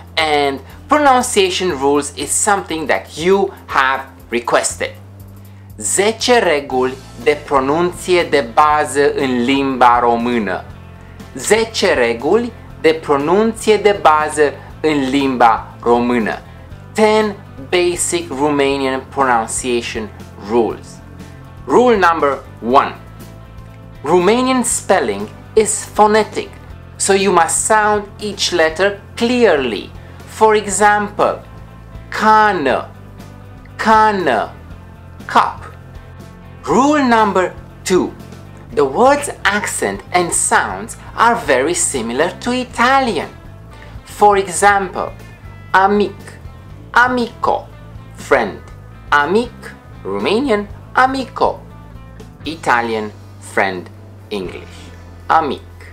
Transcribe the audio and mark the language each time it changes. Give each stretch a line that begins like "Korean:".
English: And pronunciation rules is something that you have requested.
Romanian: Zece reguli de pronunție de bază în limba română. Zece reguli de pronunție de bază în limba română.
English: 10 basic Romanian pronunciation rules. Rule number 1. Romanian spelling is phonetic, so you must sound each letter clearly. For example, cană, cană, cup. Rule number 2. The word's accent and sounds are very similar to Italian. For example, amic, amico, friend. Amic, Romanian, amico, Italian, friend, English. Amic.